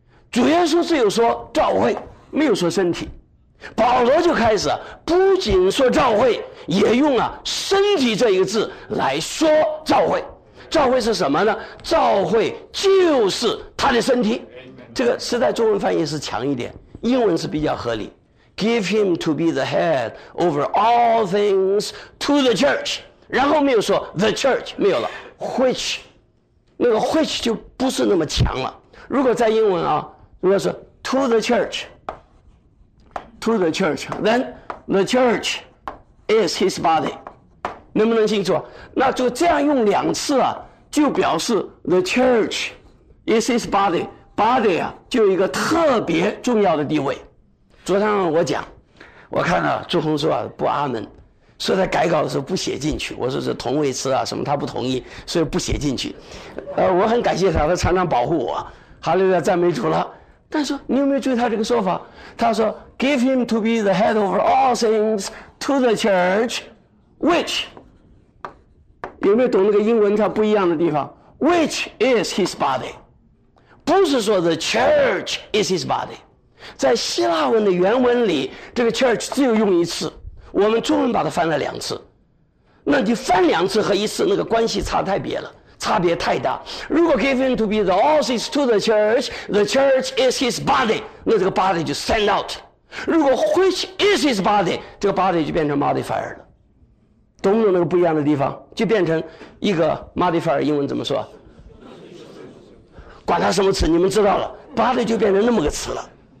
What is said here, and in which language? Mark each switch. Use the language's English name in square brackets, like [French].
[Chinese] 主耶稣只有说教会，没有说身体。保罗就开始不仅说教会，也用啊身体这一个字来说教会。教会是什么呢？教会就是他的身体。这个实在中文翻译是强一点，英文是比较合理。 [English] Give him to be the head over all things to the church. [Chinese] 然后没有说 the church, 没有了 which, 那个 which 就不是那么强了。如果在英文啊，如果说 [English] to the church, to the church, then the church is his body. [Chinese] 能不能清楚？那就这样用两次啊，就表示 [English] the church is his body， [Chinese] body 啊就有一个特别重要的地位。昨天我讲，我看了、啊、朱红说、啊、不阿门，说他改稿的时候不写进去，我说是同位词啊什么他不同意，所以不写进去。我很感谢他，他常常保护我，哈利路亚赞美主了。但是你有没有注意他这个说法？他说 [English] give him to be the head of all things to the church。 [Chinese] Which 有没有懂那个英文它不一样的地方 ？ [English] Which is his body， [Chinese] 不是说 [English] the church is his body。 [Chinese] 在希腊文的原文里，这个 church 只有用一次，我们中文把它翻了两次。那你翻两次和一次那个关系差太别了，差别太大。 [English] 如果 given to be the office to the church， the church is his body， [Chinese] 那这个 [English] body 就 stand out。 [Chinese] 如果 which is his body， 这个 body 就变成 modifier 了。懂不懂那个不一样的地方？就变成一个 modifier， 英文怎么说？管他什么词，你们知道了 ，body 就变成那么个词了。